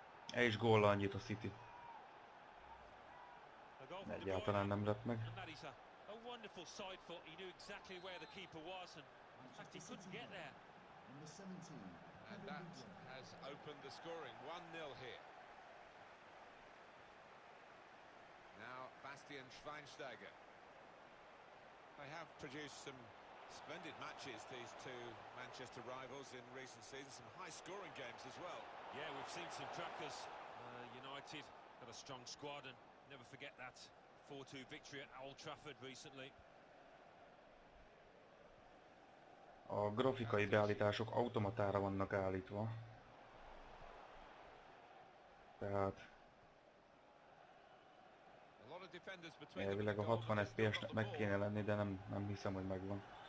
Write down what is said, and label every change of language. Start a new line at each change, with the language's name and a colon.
Hungarian: Egy is góllal annyit a City. Egyáltalán nem lett meg.
English: Wonderful side foot. He knew exactly where the keeper was, and in fact, he couldn't get there. Number 17. And that has opened the scoring. 1-0 here. Now Bastian Schweinsteiger. They have produced some splendid matches, these two Manchester rivals, in recent seasons. Some high-scoring games as well. Yeah, we've seen some crackers. United have a strong squad, and never forget that 4-2 victory at Old Trafford recently.
Hungarian: A grafikai beállítások automatára vannak állítva. Tehát elvileg a 60 FPS-nek meg kéne lenni, de nem hiszem, hogy megvan.